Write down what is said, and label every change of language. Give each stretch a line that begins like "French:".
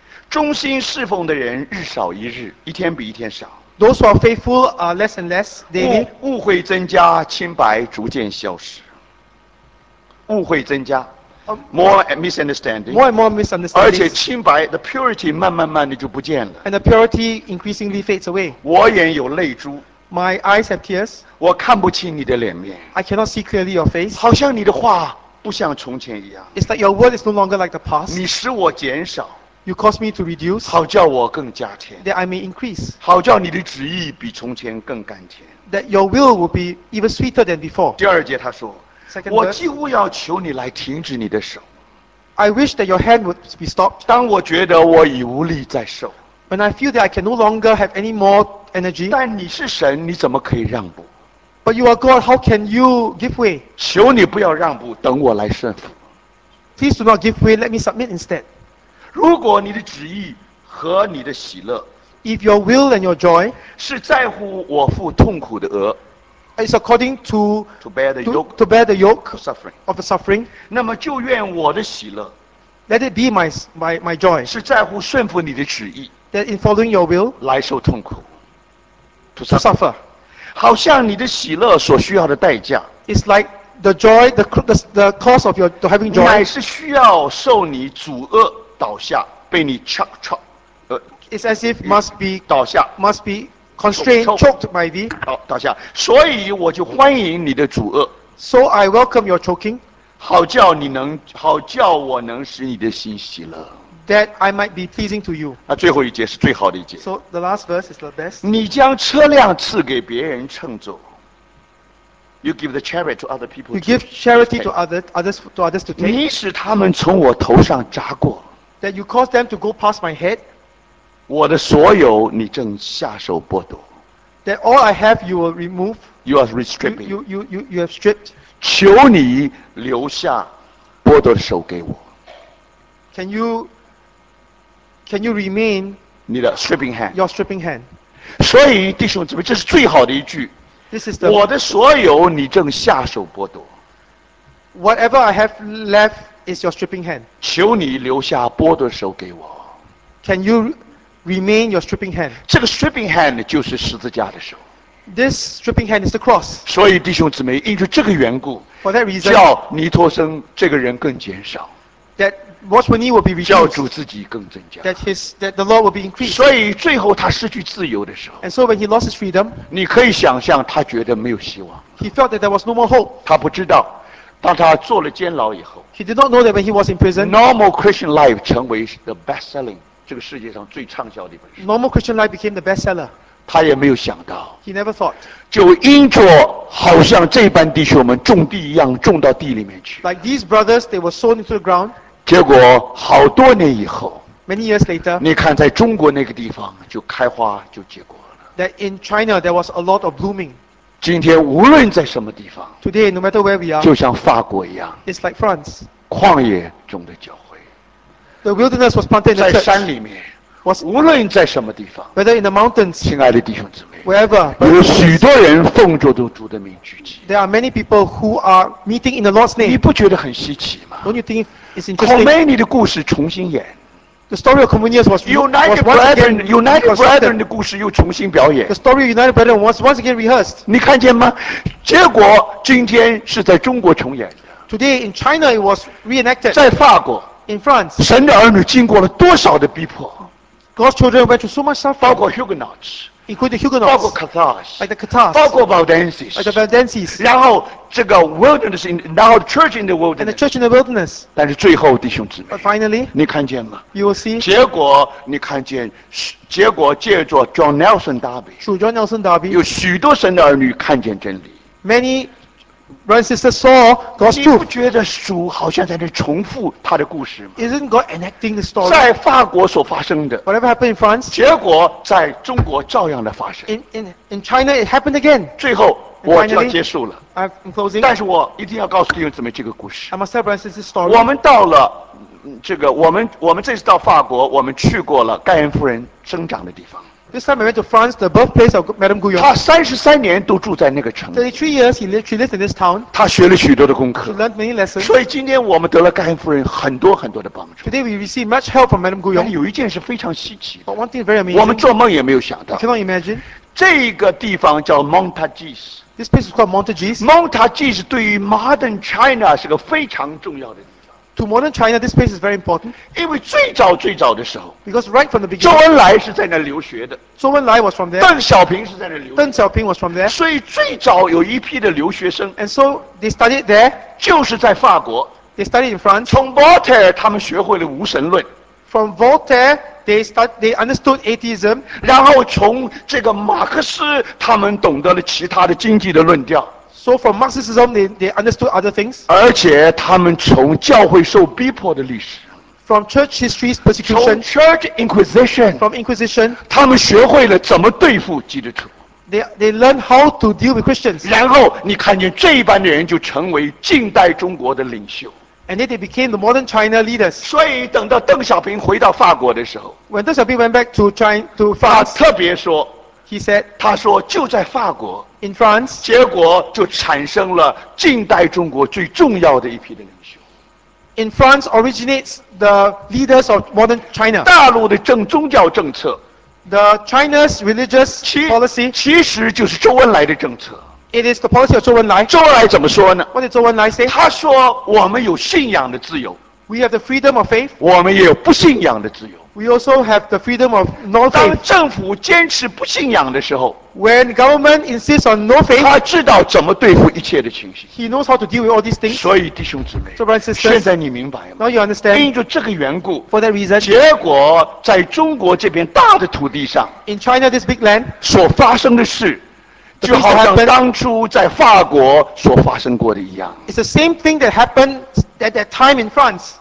Chinese: 忠心侍奉的人日少一日，一天比一天少。
English: Those who are faithful are less and less daily.
Chinese: 误会增加，清白逐渐消失。误会增加 ，
English: more misunderstanding. More and more misunderstanding.
Chinese: 而且清白 ，
English: the purity
Chinese: 慢慢的就不见了。
English: And the purity increasingly fades away.
Chinese: 我眼有泪珠。
English: My eyes have tears.
Chinese: 我看不清你的脸面。
English: I cannot see clearly your face.
Chinese: 好像你的话不像从前一样。
English: It's like your word is no longer like the past.
Chinese: 你使我减少。
English: You cause me to reduce,
Chinese: 好叫我更加添。
English: That I may increase,
Chinese: 好叫你的旨意比从前更甘甜。
English: That your will be even sweeter than before.
Chinese: 第二节他说，
English: Second,
Chinese: 我几乎要求你来停止你的手。
English: I wish that your hand would be stopped.
Chinese: 当我觉得我已无力再受。
English: When I feel that I can no longer have any more energy.
Chinese: 但你是神，你怎么可以让步？
English: But you are God, how can you give way?
Chinese: 求你不要让步，等我来顺服。
English: Please do not give way, let me submit instead.
Chinese: 如果你的旨意和你的喜乐
English: ，If your will and your joy
Chinese: 是在乎我父痛苦的额
English: ，It's according to bear the yoke to bear the yoke suffering of the suffering，
Chinese: 那么就愿我的喜乐
English: ，Let it be my joy
Chinese: 是在乎顺服你的旨意
English: ，That in following your will
Chinese: 来受痛苦
English: ，to suffer，
Chinese: 好像你的喜乐所需要的代价
English: ，It's like the joy the cost of your having joy
Chinese: 乃是需要受你阻遏。倒下，被你 chuck，
English: It's as if must be
Chinese: 倒下
English: ，must be constrained choked by thee。
Chinese: 倒下，所以我就欢迎你的阻遏。
English: So I welcome your choking。
Chinese: 好叫我能使你的心喜乐。
English: That I might be pleasing to you。
Chinese: 那最后一节是最好的一节。
English: So the last verse is the best。
Chinese: 你将车辆赐给别人乘坐。
English: You give the charity to other people。 You give charity to others to take。
Chinese: 你使他们从我头上扎过。
English: That you cause them to go past my head.
Chinese: 我的所有你正下手剥夺。
English: That all I have you will remove. You are restripping. You have stripped.
Chinese: 求你留下剥夺的手给我。
English: Can you remain?
Chinese: 你的
English: stripping hand. Your stripping hand.
Chinese: 所以弟兄姊妹，这是最好的一句。
English: This is the.
Chinese: 我的所有你正下手剥夺。
English: Whatever I have left. Is your stripping hand?
Chinese: 求你留下剥夺手给我。
English: Can you remain your stripping hand?
Chinese: 这个
English: stripping hand
Chinese: 就是十字架的手。
English: This stripping hand is the cross.
Chinese: 所以弟兄姊妹，因着这个缘故
English: ，For that reason,
Chinese: 叫尼托生这个人更减少。
English: That what when he will be reduced.
Chinese: 叫主自己更增加。
English: That the Lord will be increased.
Chinese: 所以最后他失去自由的时候
English: ，And so when he lost his freedom,
Chinese: 你可以想象他觉得没有希望。
English: He felt that there was no more hope.
Chinese: 他不知道。当他坐了监牢以后
English: ，He did not know that when he was in prison.
Chinese: Normal Christian Life 成为
English: the best selling
Chinese: 这个世界上最畅销的一本书。
English: Normal Christian Life became the best seller.
Chinese: 他也没有想到。
English: He never thought.
Chinese: 就因着好像这般弟兄们种地一样，种到地里面去。
English: Like these brothers, they were sown into the ground.
Chinese: 结果好多年以后
English: ，Many years later.
Chinese: 你看，在中国那个地方就开花就结果了。
English: That in China there was a lot of blooming.
Chinese: 今天无论在什么地方
English: ，Today no matter where we are.
Chinese: 就像法国一样
English: ，It's like France.
Chinese: 旷野中的教会
English: ，The wilderness was planted in the church.
Chinese: 在山里面。无论在什么地方
English: ，Whether in the mountains，
Chinese: 亲爱的弟兄姊妹
English: ，Wherever，
Chinese: 有许多人奉着主的名聚集。
English: There are many people who are meeting in the Lord's name。
Chinese: 你不觉得很稀奇吗
English: ？Don't you think it's interesting？
Chinese: Komeni 的故事重新演
English: ，The story of Komeni was
Chinese: United Brethren 的故事又重新表演。
English: The story of United Brethren was once again rehearsed。
Chinese: 你看见吗？结果今天是在中国重演的。
English: Today in China it was reenacted。
Chinese: 在法国
English: ，In France，
Chinese: 神的儿女经过了多少的逼迫？
English: God's children went through so much suffering,
Chinese: 包括 Huguenots,
English: including the Huguenots,
Chinese: 包括 Cathars,
English: like the Cathars,
Chinese: 包括 Valdenses,
English: like the Valdenses.
Chinese: 然后这个
English: wilderness, now the church in the wilderness, and the church in the wilderness.
Chinese: 但是最后，弟兄姊妹
English: ，but finally,
Chinese: 你看见吗
English: ？You will see.
Chinese: 结果你看见，结果借着 John Nelson Darby,
English: through John Nelson Darby,
Chinese: 有许多神的儿女看见真理。
English: Many brothers and sisters saw God's truth.
Chinese: 你不觉得主好像在那重复他的故事吗
English: ？Isn't God enacting the story?
Chinese: 在法国所发生的
English: ，whatever happened in France，
Chinese: 结果在中国照样的发生。
English: In China, it happened again.
Chinese: 最后我就要结束了。
English: I'm closing.
Chinese: 但是我一定要告诉弟兄姊妹这个故事。
English: I must tell brothers and sisters this story.
Chinese: 我们到了。这个我们这次到法国，我们去过了盖恩夫人生长的地方。
English: This time I went to France, the birthplace of Madame Guyon.
Chinese: 她33年都住在那个城。
English: 33 years she lived in this town.
Chinese: 她学了许多的功课。
English: She learned many lessons.
Chinese: 所以今天我们得了盖恩夫人很多很多的帮助。
English: Today we receive much help from Madame Guyon.
Chinese: 有一件是非常稀奇的。
English: But one thing very amazing.
Chinese: 我们做梦也没有想到。
English: Cannot imagine.
Chinese: 这个地方叫 Montagis。
English: This place is called Montagis.
Chinese: Montagis 对于
English: modern China
Chinese: 是个非常重要的。
English: To modern China, this place is very important.
Chinese: 因为最早最早的时候
English: ，because right from the beginning,
Chinese: 周恩来是在那留学的。
English: 周恩来 was from there.
Chinese: 邓小平是在那留学的。
English: 邓小平 was from there.
Chinese: 所以最早有一批的留学生
English: ，and so they studied there.
Chinese: 就是在法国
English: ，they studied in France.
Chinese: 从 Voltaire 他们学会了无神论。
English: From Voltaire, they understood atheism.
Chinese: 然后从这个马克思，他们懂得了其他的经济的论调。
English: So from Marxism, they understood other things.
Chinese: 而且他们从教会受逼迫的历史
English: ，from church history's persecution, 从 church inquisition, from inquisition,
Chinese: 他们学会了怎么对付基督徒。
English: They learn how to deal with Christians.
Chinese: 然后你看见这一班的人就成为近代中国的领袖。
English: And then they became the modern China leaders.
Chinese: 所以等到邓小平回到法国的时候
English: ，when Deng Xiaoping went back to China to France,
Chinese: 他特别说
English: ，he said,
Chinese: 他说就在法国。
English: In France,
Chinese: 结果就产生了近代中国最重要的一批的领袖。
English: In France originates the leaders of modern China.
Chinese: 大陆的宗教政策
English: ，the China's religious policy,
Chinese: 其实就是周恩来的政策。
English: It is the policy of 周恩来。
Chinese: 周恩来怎么说呢
English: ？What did 周恩来 say?
Chinese: 他说我们有信仰的自由。
English: We have the freedom of faith.
Chinese: 我们也有不信仰的自由。
English: We also have the freedom of no faith.
Chinese: 当政府坚持不信仰的时候
English: ，When government insists on no faith,
Chinese: 他知道怎么对付一切的情形。
English: He knows how to deal with all these things.
Chinese: 所以弟兄姊妹
English: ，So brothers and sisters,
Chinese: 现在你明白吗
English: ？Now you understand.
Chinese: 因着这个缘故
English: ，For that reason,
Chinese: 结果在中国这边大的土地上
English: ，In China, this big land,
Chinese: 所发生的事。就好像当初在法国所发生过的一样。
English: It's the same thing that happened at that time in France.